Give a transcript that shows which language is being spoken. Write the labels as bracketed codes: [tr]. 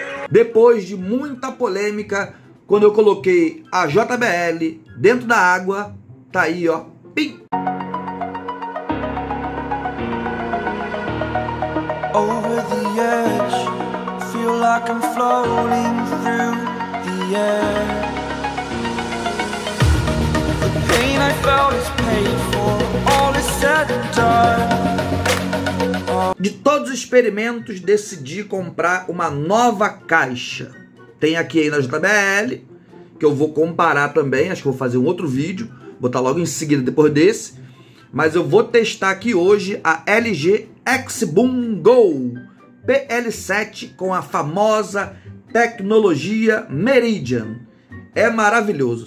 [pt] Depois de muita polêmica, quando eu coloquei a JBL dentro da água, tá aí, ó, pim. [en] Over the edge, feel like I'm floating through the air. The pain I felt is paid for, all is said and done. [pt] De todos os experimentos, decidi comprar uma nova caixa. Tem aqui aí na JBL, que eu vou comparar também. Acho que vou fazer um outro vídeo. Vou botar logo em seguida, depois desse. Mas eu vou testar aqui hoje a LG X-Boom Go PL7 com a famosa tecnologia Meridian. É maravilhoso.